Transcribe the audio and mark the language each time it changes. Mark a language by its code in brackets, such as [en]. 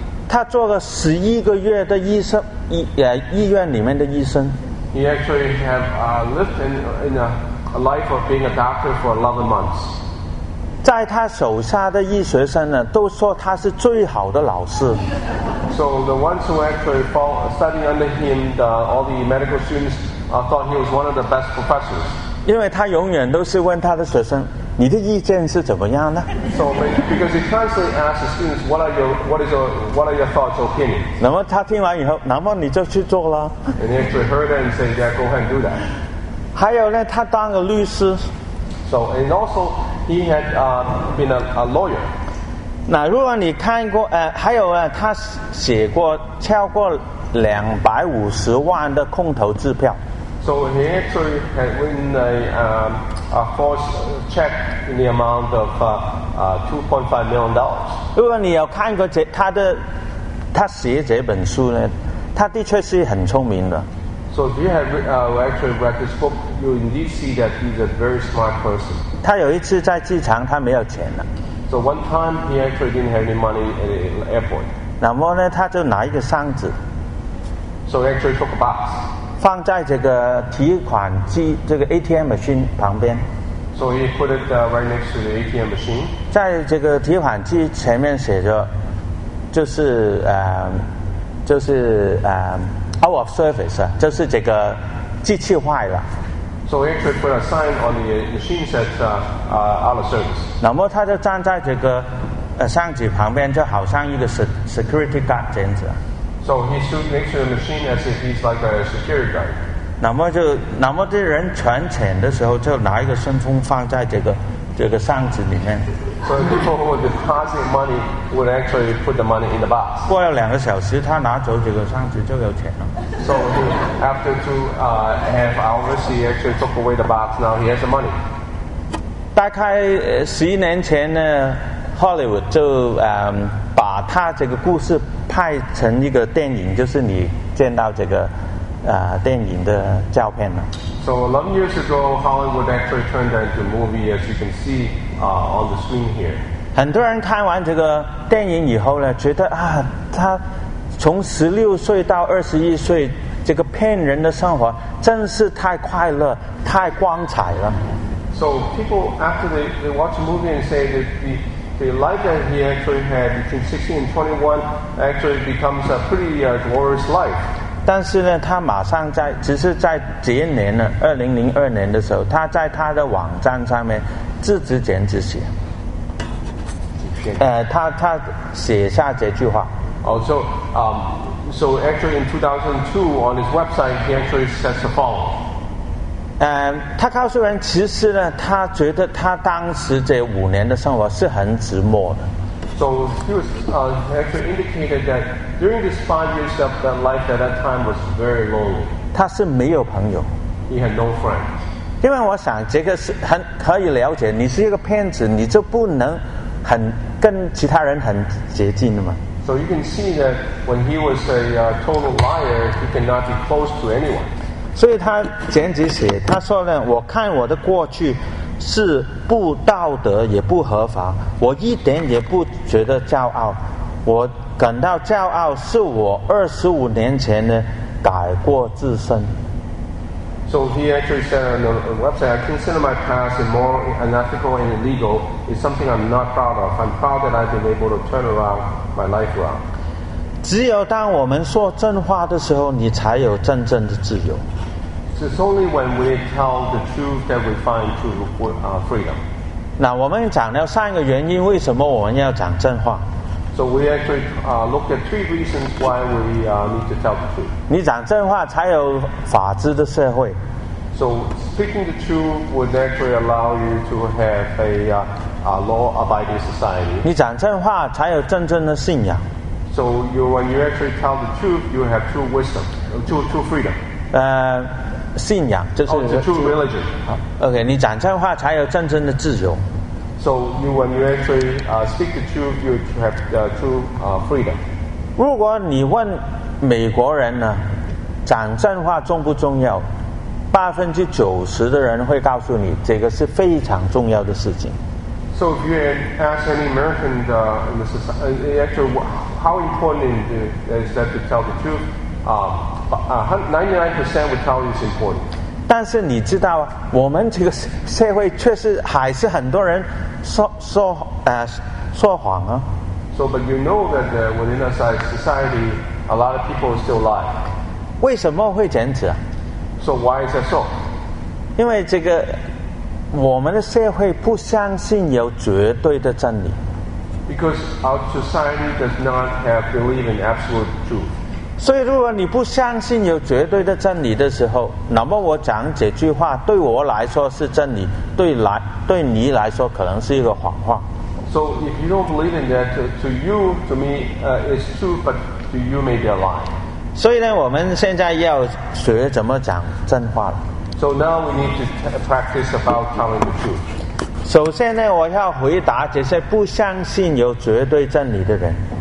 [zh] 他做个十一个月的医生，医院里面的医生。 [en] He actually had lived in a life of being a doctor for 11 months. [zh] 在他手下的医学生呢，都说他是最好的老师。 [en] So the ones who actually studied under him, all the medical students, thought he was one of the best professors. [zh] 因为他永远都是问他的学生，你的意见是怎么样呢？ [en] So because he constantly asks the students, what are your thoughts or opinions? [zh] 那么他听完以后，那么你就去做了。 [en] And he actually heard that and said, yeah, go ahead and do that. [zh] 还有呢，他当个律师。 [en] So and also he had been a lawyer. [zh] 那如果你看过还有呢，他写过超过250万的空头支票。 [en] So he actually had written a false check in the amount of $2.5 million. [zh] 如果你有看过他写这本书呢，他的确是很聪明的。 [en] So if you have actually read this book, you indeed see that he's a very smart person. [zh] 他有一次在机场，他没有钱了。 [en] So one time he actually didn't have any money at the airport. [zh] 那么呢，他就拿一个箱子。 [en] So he actually took a box. [zh] 放在这个提款机这个 [en] ATM machine [zh] 旁边。 [en] So he put it right next to the ATM machine. [zh] 在这个提款机前面写着就是就是 [en] out of service， [zh] 就是这个机器坏了。 [en] So he actually put a sign on the machine that out of service。 [zh] 那么他就站在这个相机旁边，就好像一个 [en] security guard [zh] 这样子。 [en] So he stood next to the machine as if he's like a security guard。 [zh] 那么就那么这人全潜的时候，就拿一个信封放在这个箱子里面。 [en] So people who deposit money would actually put the money in the box。 [zh] 过了两个小时，他拿走这个箱子就有钱了。 [en] So after two half hours, he actually took away the box. Now he has the money。 [zh] 大概十一年前呢 ，Hollywood 就把他这个故事拍成一个电影，就是你见到这个。电影的照片呢 [en] ？So 11 years ago, Hollywood actually turned that into a movie, as you can see on the screen here. [zh] 很多人看完这个电影以后呢，觉得啊，他从16岁到21岁，这个骗人的生活真是太快乐、太光彩了。 [en] So people after they watch the movie and say that the life that he actually had between 16 and 21 actually becomes a pretty glorious life. [zh] 但是呢，他马上在，只是在前年呢，2002年的时候，他在他的网站上面字字简直写，他写下这句话。 [en] Oh, so, so actually in 2002 on his website, he actually says the following. [zh] 他告诉人，其实呢，他觉得他当时这五年的生活是很寂寞的。 [en] So he was actually indicated that during this 5 years of that life at that time was very lonely. [zh] 他是没有朋友。 [en] He had no friends. [zh] 因为我想这个是很可以了解，你是一个骗子，你就不能很跟其他人很接近的嘛。 [en] So you can see that when he was a total liar, he cannot be close to anyone. [zh] 所以他简直写，他说呢，我看我的过去。是不道德也不合法，我一点也不觉得骄傲，我感到骄傲是我25年前呢改过自身。 [en] So he actually said on the website, I consider my past immoral, unethical, and illegal. It's something I'm not proud of. I'm proud that I've been able to turn around my life around. [zh] 只有当我们说真话的时候，你才有真正的自由。 [en] It's only when we tell the truth that we find true freedom. [zh] 那我们讲了三个原因，为什么我们要讲真话 [en] ？So we actually look at three reasons why we need to tell the truth. [zh] 你讲真话才有法治的社会。 [en] So speaking the truth would actually allow you to have a law-abiding society. [zh] 你讲真话才有真正的信仰。 [en] So you, when you actually tell the truth, you have true wisdom, true freedom. [zh] 信仰就是。 [en] Oh, true religion. [zh] OK, 你讲真话才有真正的自由。 [en] So you, when you actually speak the truth, you have true freedom. [zh] 如果你问美国人呢，讲真话重不重要？ 90%的人会告诉你，这个是非常重要的事情。 [en] So if you ask any American in the society, actually, how important is that to tell the truth? 99% would tell you it's important. [zh] 但是你知道，我们这个社会确实还是很多人说谎啊。 [en] So, but you know that within a society, a lot of people still lie. [zh] 为什么会这样子啊 [en] ？So why is that so? [zh] 因为这个我们的社会不相信有绝对的真理。 [en] Because our society does not have belief in absolute truth. [zh] 所以如果你不相信有绝对的真理的时候，那么我讲这句话对我来说是真理，对你来说可能是一个谎话。 [en] So if you don't believe in that, to you, to me, it's true, but to you may be a lie. [zh] 所以呢，我们现在要学怎么讲真话了。 [en] So now we need to practice about telling the truth. [zh] 首先呢，我要回答这些不相信有绝对真理的人。